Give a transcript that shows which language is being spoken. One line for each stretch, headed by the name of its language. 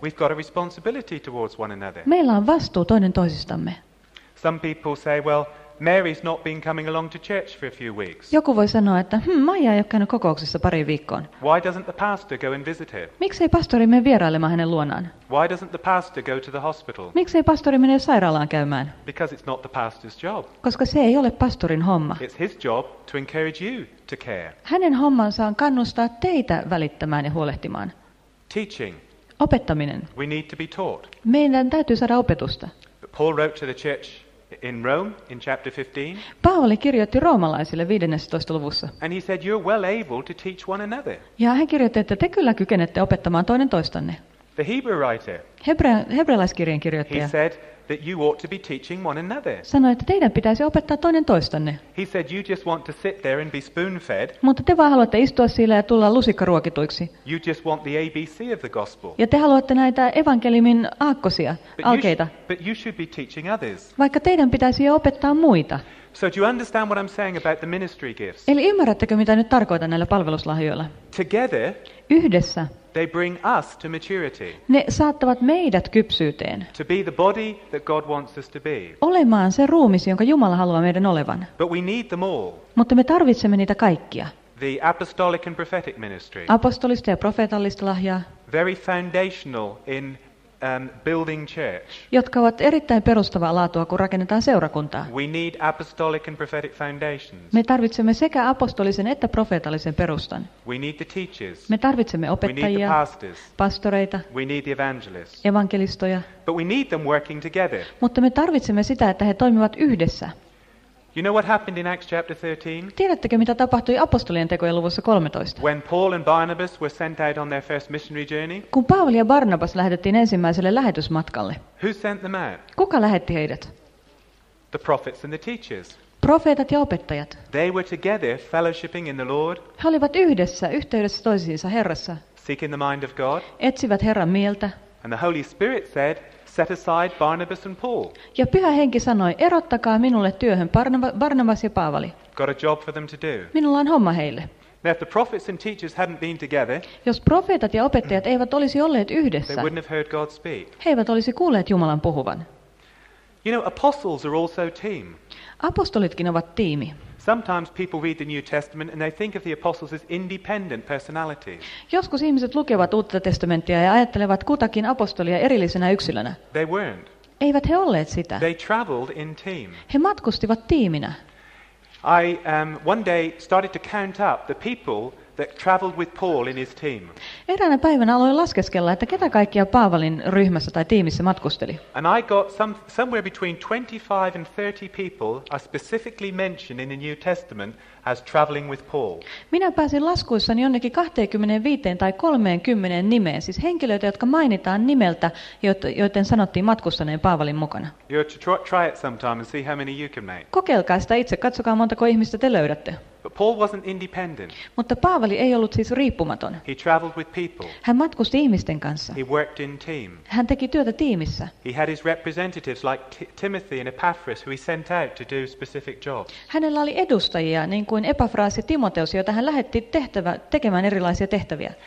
English: We've got a responsibility towards one another.
Finnish: Meillä on vastuu toinen toisistamme.
English: Some people say, well, Mary's not been coming along to church for a few weeks.
Finnish: Joku voi sanoa, että Maija ei ole käynyt kokouksessa pariin viikkoon.
English: Why doesn't the pastor go and visit her?
Finnish: Miksei pastori mene vierailemaan hänen luonaan?
English: Why doesn't the pastor go to the hospital?
Finnish: Miksei pastori mene sairaalaan käymään?
English: Because it's not the pastor's job.
Finnish: Koska se ei ole pastorin homma.
English: It's his job to encourage you to care.
Finnish: Hänen hommansa on kannustaa teitä välittämään ja huolehtimaan.
English: Teaching.
Finnish: Opettaminen.
English: We need to be taught.
Finnish: Meidän täytyy saada opetusta.
English: But Paul wrote to the church in Rome in chapter 15.
Finnish: Paavali kirjoitti roomalaisille 15. luvussa.
English: And he said you're well able to teach one another.
Finnish: Ja hän kirjoitti, että te kyllä kykenette opettamaan toinen toistanne.
English: The Hebrew writer.
Finnish: Hebrealaiskirjeen kirjoittaja.
English: He said that you ought to be teaching one another.
Finnish: Sanoi, että teidän pitäisi opettaa toinen toistanne.
English: He said you just want to sit there and be spoon-fed.
Finnish: Mutta te vaan haluatte istua siellä ja tulla lusikkaruokituiksi.
English: You just want the ABC of the gospel.
Finnish: Ja te haluatte näitä evankeliumin aakkosia, alkeita.
English: But you should be teaching others.
Finnish: Vaikka teidän pitäisi jo opettaa muita.
English: So do you understand what I'm saying about the ministry gifts?
Finnish: Eli ymmärrättekö mitä nyt tarkoitan näillä palveluslahjoilla?
English: Together.
Finnish: Yhdessä.
English: They bring us to maturity.
Finnish: Ne saattavat meidät kypsyyteen.
English: To be the body that God wants us to be.
Finnish: Olemaan se ruumis, jonka Jumala haluaa meidän olevan.
English: But we need them all.
Finnish: Mutta me tarvitsemme niitä kaikkia.
English: The apostolic and prophetic ministry.
Finnish: Apostolista ja profeetallista lahjaa.
English: Very foundational in building church.
Finnish: Jotka ovat erittäin perustavaa laatua, kun rakennetaan seurakuntaa.
English: We need apostolic and prophetic foundations.
Finnish: Me tarvitsemme sekä apostolisen että profeetallisen perustan.
English: We need the teachers.
Finnish: Me tarvitsemme opettajia, pastoreita,
English: we need the evangelists.
Finnish: Evankelistoja.
English: But we need them working together.
Finnish: Mutta me tarvitsemme sitä, että he toimivat yhdessä.
English: You know what happened in Acts chapter 13?
Finnish: Tiedättekö mitä tapahtui apostolien tekojen luvussa 13?
English: When Paul and Barnabas were sent out on their first missionary journey?
Finnish: Kun Pauli ja Barnabas lähetettiin ensimmäiselle lähetysmatkalle.
English: Who sent them out?
Finnish: Kuka lähetti heidät?
English: The prophets and the teachers.
Finnish: Profeetat ja opettajat.
English: They were together fellowshipping in the Lord.
Finnish: He olivat yhdessä yhteydessä toisiinsa Herrassa.
English: Seeking the mind of God.
Finnish: Etsivät Herran mieltä.
English: And the Holy Spirit said, set aside Barnabas and Paul.
Finnish: Ja Pyhä Henki sanoi, erottakaa minulle työhön Barnabas ja Paavali.
English: Got a job for them to do.
Finnish: Minulla on homma heille.
English: Now if the prophets and teachers hadn't been together,
Finnish: jos profeetat ja opettajat eivät olisi olleet yhdessä,
English: they wouldn't have heard God speak.
Finnish: He eivät olisi kuulleet Jumalan puhuvan.
English: You know, apostles are also team.
Finnish: Apostolitkin ovat tiimi.
English: Sometimes people read the New Testament and they think of the apostles as independent personalities.
Finnish: Joskus ihmiset lukevat Uutta testamenttia ja ajattelevat kutakin apostolia erillisenä yksilönä.
English: They weren't.
Finnish: Eivät he olleet sitä.
English: They traveled in team.
Finnish: He matkustivat tiiminä.
English: I one day started to count up the people that traveled with Paul in his team.
Finnish: Eräänä päivänä aloin laskeskella, että ketä kaikkia Paavalin ryhmässä tai tiimissä matkusteli.
English: And I got somewhere between 25 and 30 people are specifically mentioned in the New Testament as traveling with Paul.
Finnish: Minä pääsin laskuissani jonnekin 25 tai 30 nimeen, siis henkilöitä, jotka mainitaan nimeltä, joiden sanottiin matkustaneen Paavalin mukana.
English: You have to try it sometime and see how many you can make.
Finnish: Kokeilkaa sitä itse, katsokaa montako ihmistä te löydätte.
English: But Paul wasn't independent.
Finnish: Mutta Paavali ei ollut siis riippumaton.
English: He traveled with people.
Finnish: Hän matkusti ihmisten kanssa.
English: He worked in team.
Finnish: Hän teki työtä tiimissä.
English: He had his representatives like Timothy and Epaphras who he sent out to do specific jobs.
Finnish: Hänellä oli edustajia niin kuin Epafras ja Timoteus, joita hän lähetti tekemään erilaisia tehtäviä.